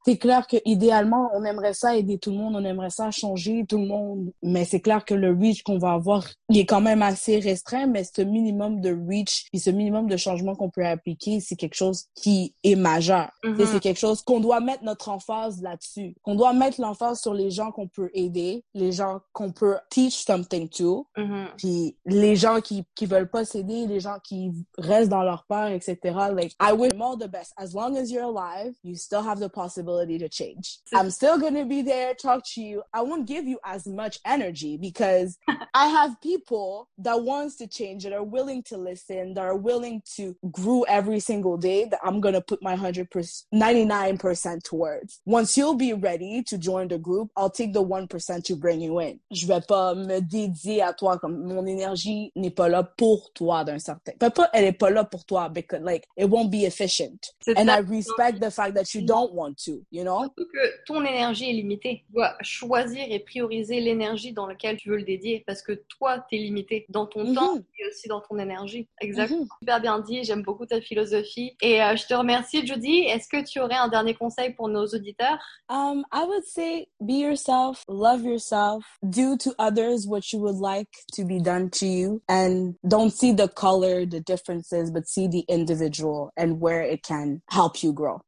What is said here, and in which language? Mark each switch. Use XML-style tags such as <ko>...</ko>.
<fr>C'est clair que, idéalement, on aimerait ça aider tout le monde, on aimerait ça changer tout le monde, mais c'est clair que le reach qu'on va avoir, il est quand même assez restreint, mais ce minimum de reach et ce minimum de changement qu'on peut appliquer, c'est quelque chose qui est majeur. Mm-hmm. C'est quelque chose qu'on doit mettre notre emphase là-dessus, qu'on doit mettre l'emphase sur les gens qu'on peut aider, les gens qu'on peut</fr> <en>teach something to,</en> <fr>mm-hmm. puis les gens qui veulent pas s'aider, les gens qui restent dans leur peur, etc.</fr> <en>Like, I wish them all the best. As long as you're alive, you still have the possibility to change. I'm still gonna be there, talk to you. I won't give you as much energy because I have people that wants to change, that are willing to listen, that are willing to grow every single day, that I'm gonna put my 99% towards. Once you'll be ready to join the group, I'll take the 1% to bring you in.</en> <fr>Je vais pas me dédier à toi, comme mon énergie n'est pas là pour toi d'un certain. Peut-être pas, elle est pas là pour toi,</fr> <en>because like, it won't be efficient.</en> <fr>C'est and ça.</fr> <en>I respect the fact that you don't want to, you know?</en> <fr>Ton énergie est limitée. Tu dois choisir et prioriser l'énergie dans laquelle tu veux le dédier parce que toi, t'es limité dans ton mm-hmm. temps et aussi dans ton énergie. Exactement. Mm-hmm. Super bien dit. J'aime beaucoup ta philosophie. Et je te remercie, Judy. Est-ce que tu aurais un dernier conseil pour nos auditeurs?</fr> <en>I would say be yourself, love yourself, do to others what you would like to be done to you, and don't see the color, the differences, but see the individual and where it can help you grow.</en>